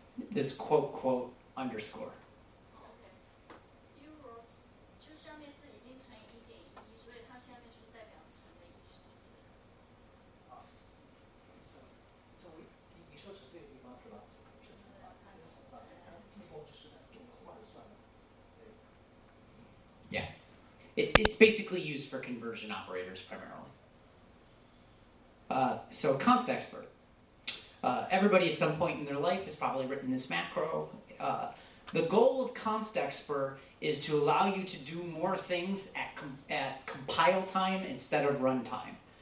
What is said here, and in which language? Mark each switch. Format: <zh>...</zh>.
<en>This quote, quote, underscore. Okay. You wrote,</en> <zh>就上面是已经乘以1.1, 所以它下面就是代表乘的意思。所以你说是这个地方是吧? 是乘的,自动就是给我换算的。Yeah.</zh> <en>It's basically used for conversion operators primarily. So, const expert. Everybody at some point in their life has probably written this macro. The goal of constexpr is to allow you to do more things at compile time instead of runtime.</en>